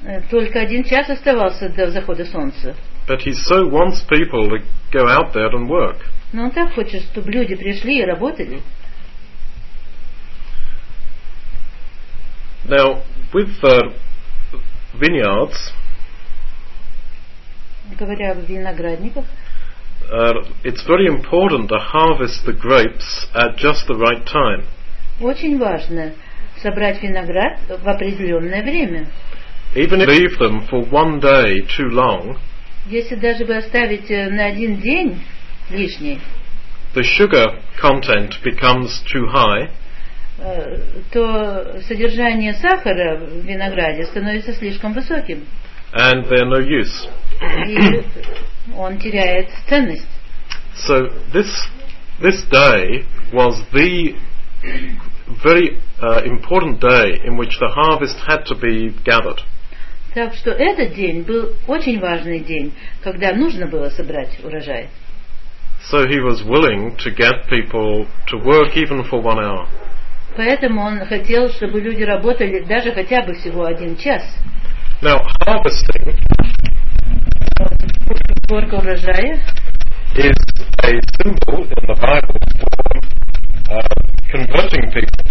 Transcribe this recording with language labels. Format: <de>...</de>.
<ru>Только один час оставался до захода солнца.</ru> <en>But he so wants people to go out there and work.</en> <ru>Но он так хочет, чтобы люди пришли и работали.</ru> <en>Now, with the vineyards,</en> <ru>говоря о виноградниках,</ru> <en>It's very important to harvest the grapes at just the right time.</en> <ru>Очень важно собрать виноград в определенное время.</ru> <en>Even if you leave them for one day too long,</en> <ru>если даже вы оставите на один день лишний,</ru> <en>the sugar content becomes too high,</en> <ru>то содержание сахара в винограде становится слишком высоким.</ru> <en>And they're no use.</en> <ru>Он теряет ценность.</ru> <en>So this day was the very important day in which the harvest had to be gathered.</en> <ru>Так что этот день был очень важный день, когда нужно было собрать урожай.</ru> <en>So he was willing to get people to work even for 1 hour.</en> <ru>Поэтому он хотел, чтобы люди работали даже хотя бы всего один час.</ru> <en>Now harvesting is a symbol in the Bible for converting people.</en>